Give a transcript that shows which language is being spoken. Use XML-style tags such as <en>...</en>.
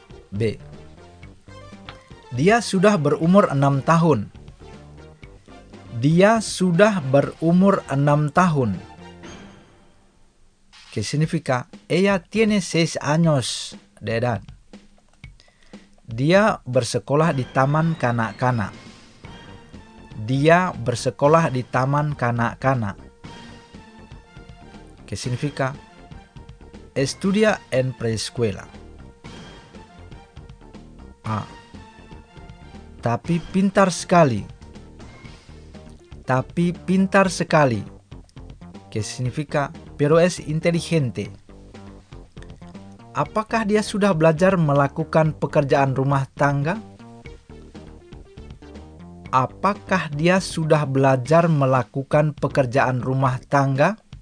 <id>B. Dia sudah berumur 6 tahun. Dia sudah berumur 6 tahun.</id> <es>Que significa ella tiene 6 años de edad.</es> <id>Dia bersekolah di taman kanak-kanak. Dia bersekolah di taman kanak-kanak.</id> <es>Que significa estudia en preescuela.</es> <id>A. Tapi pintar sekali. Tapi pintar sekali.</id> <es>Que significa pero es inteligente.</es> <id>Apakah dia sudah belajar melakukan pekerjaan rumah tangga? Apakah dia sudah belajar melakukan pekerjaan rumah tangga?</id>